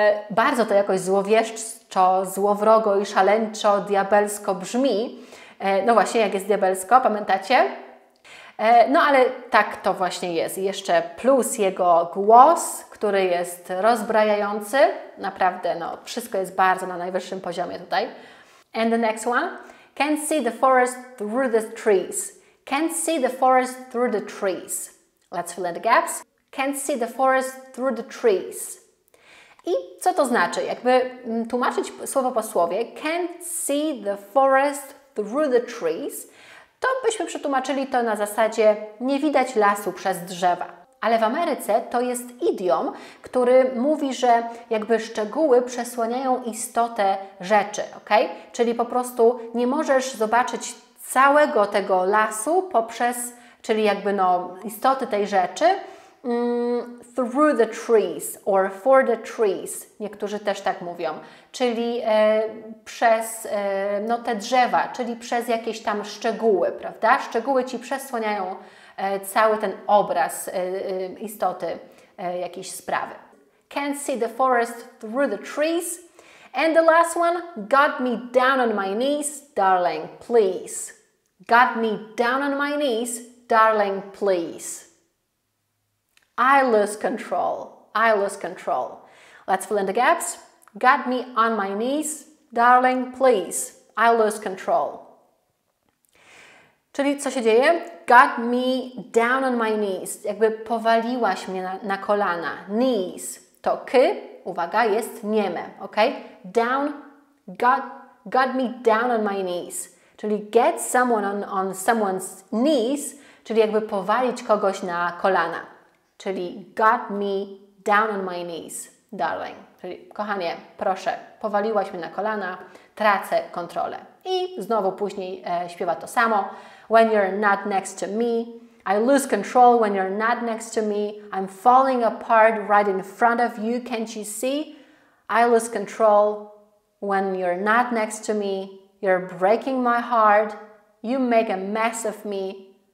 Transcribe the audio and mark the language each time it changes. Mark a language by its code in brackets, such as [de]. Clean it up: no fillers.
[pl] Bardzo to jakoś złowieszczo, złowrogo i szaleńczo, diabelsko brzmi. No właśnie, jak jest diabelsko, pamiętacie? No ale tak to właśnie jest. Jeszcze plus jego głos, który jest rozbrajający. Naprawdę, no, wszystko jest bardzo na najwyższym poziomie tutaj. [en] And the next one. Can't see the forest through the trees. Can't see the forest through the trees. Let's fill in the gaps. Can't see the forest through the trees. [pl] I co to znaczy? Jakby tłumaczyć słowo po słowie. [en] Can't see the forest through the trees. [pl] To byśmy przetłumaczyli to na zasadzie nie widać lasu przez drzewa. Ale w Ameryce to jest idiom, który mówi, że jakby szczegóły przesłaniają istotę rzeczy, ok? Czyli po prostu nie możesz zobaczyć całego tego lasu poprzez, czyli jakby no istoty tej rzeczy [en] through the trees or for the trees. [pl] Niektórzy też tak mówią. Czyli przez no, te drzewa, czyli przez jakieś tam szczegóły, prawda? Szczegóły ci przesłaniają cały ten obraz istoty jakiejś sprawy. [en] Can't see the forest through the trees And the last one, got me down on my knees, darling, please. Got me down on my knees, darling, please. I lose control. I lose control. Let's fill in the gaps. Got me on my knees, darling, please. I lose control. [pl] Czyli co się dzieje? [en] Got me down on my knees. [pl] Jakby powaliłaś mnie na kolana. Knees. To k, uwaga, jest nieme. Okay? [en] Down, got me down on my knees. [pl] Czyli [en] get someone on someone's knees, [pl] czyli jakby powalić kogoś na kolana. Czyli [en] got me down on my knees, darling. [pl] Czyli kochanie, proszę, powaliłaś mnie na kolana, tracę kontrolę. I znowu później śpiewa to samo. [en] When you're not next to me, I lose control when you're not next to me. I'm falling apart right in front of you, can't you see? I lose control when you're not next to me. You're breaking my heart. You make a mess of me.